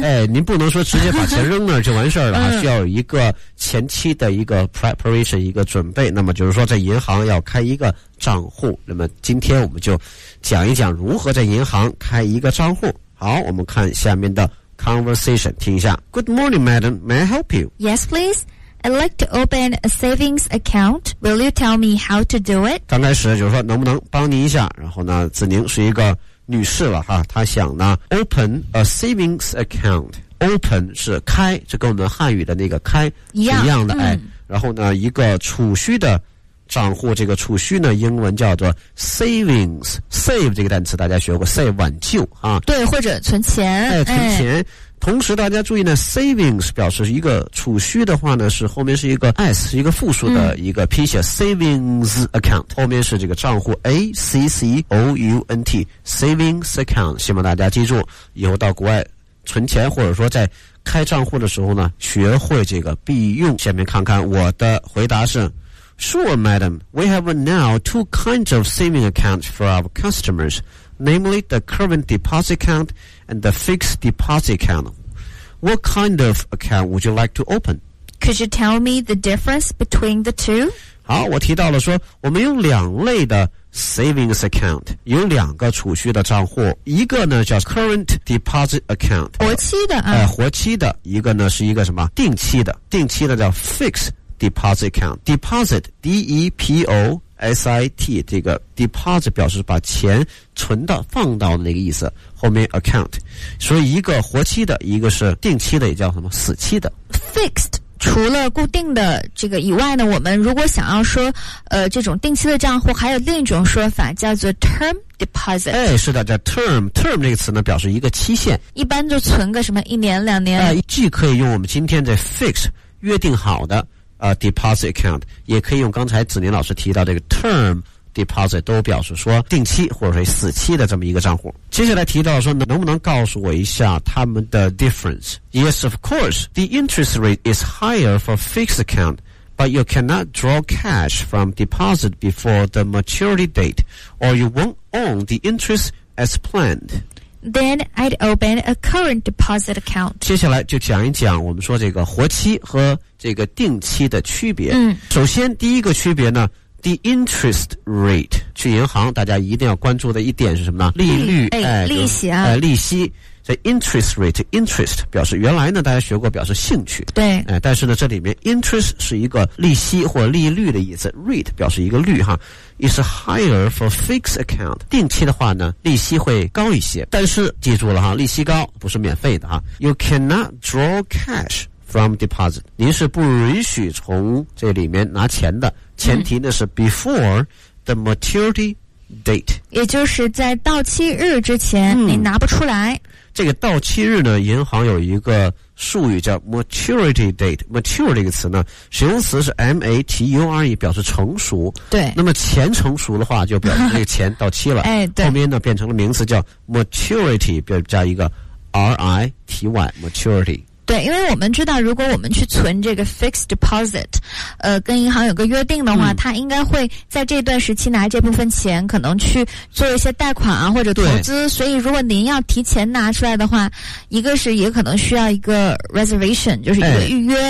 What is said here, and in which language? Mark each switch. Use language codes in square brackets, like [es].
[zh] 您不能说直接把钱扔那儿就完事儿了，还需要有一个前期的一个 preparation， 一个准备。那么就是说在银行要开一个账户，那么今天我们就讲一讲如何在银行开一个账户。好，我们看下面的 conversation， 听一下。 [en] Good morning, madam. May I help you? Yes, please. I'd like to open a savings account. Will you tell me how to do it? [zh] 刚开始就是说能不能帮您一下，然后呢子宁是一个女士了哈，她想呢 open a savings account. Open 是开，这跟我们汉语的那个开是一样的。 [en] yeah, [zh] 然后呢一个储蓄的账户，这个储蓄呢英文叫做 savings. Save 这个单词大家学过， save 挽救啊。对，或者存钱。存钱。同时大家注意呢 savings 表示一个储蓄的话呢是后面是一个 s， 一个复数的一个拼写 savings account， 后面是这个账户 account savings account， 希望大家记住以后到国外存钱或者说在开账户的时候呢学会这个必用。下面看看我的回答是， [en] Sure madam, we have now two kinds of saving accounts for our customersNamely, the current deposit account and the fixed deposit account. What kind of account would you like to open? Could you tell me the difference between the two? [zh] 好，我提到了说，我们有两类的 savings account， 有两个储蓄的账户，一个呢叫 current deposit account，活期的啊，活期的，一个呢是一个什么定期的，定期的叫 fixed deposit account， deposit deposit 这个 deposit 表示把钱存到放到那个意思，后面 account， 所以一个活期的，一个是定期的，也叫什么死期的 [en] fixed。 [zh] 除了固定的这个以外呢，我们如果想要说这种定期的账户，还有另一种说法叫做 term deposit。是的，叫 term 这个词呢表示一个期限，一般就存个什么一年两年。既可以用我们今天的 fixed 约定好的。Deposit account 也可以用刚才子宁老师提到这个 term deposit， 都表示说定期或者说死期的这么一个账户。接下来提到说能不能告诉我一下他们的 difference？ [en] Yes, of course. The interest rate is higher for fixed account, but you cannot draw cash from deposit before the maturity date, or you won't own the interest as planned. Then I'd open a current deposit account. [zh] 接下来就讲一讲我们说这个活期和这个定期的区别。首先第一个区别呢 the interest rate， 去银行大家一定要关注的一点是什么呢？利率。利息啊。利息。所以 interest rate， interest 表示原来呢大家学过表示兴趣。对。但是呢这里面 interest 是一个利息或利率的意思， rate 表示一个率哈。 is higher for fixed account，定期的话呢利息会高一些，但是记住了哈，利息高不是免费的哈。 [en] you cannot draw cash from deposit， [zh] 您是不允许从这里面拿钱的，前提呢是 before the maturity date，也就是在到期日之前你拿不出来。这个到期日呢银行有一个术语叫 maturity date。 mature 这个词呢，形容词是 m-a-t-u-r-e， 表示成熟。对，那么钱成熟的话就表示那个钱到期了。哎，对，后面呢变成了名词叫 maturity， 加一个 r-i-t-y， maturity。对，因为我们知道如果我们去存这个 fixed deposit， 跟银行有个约定的话，他应该会在这段时期拿这部分钱可能去做一些贷款啊或者投资，所以如果您要提前拿出来的话，一个是也可能需要一个 reservation， 就是一个预约，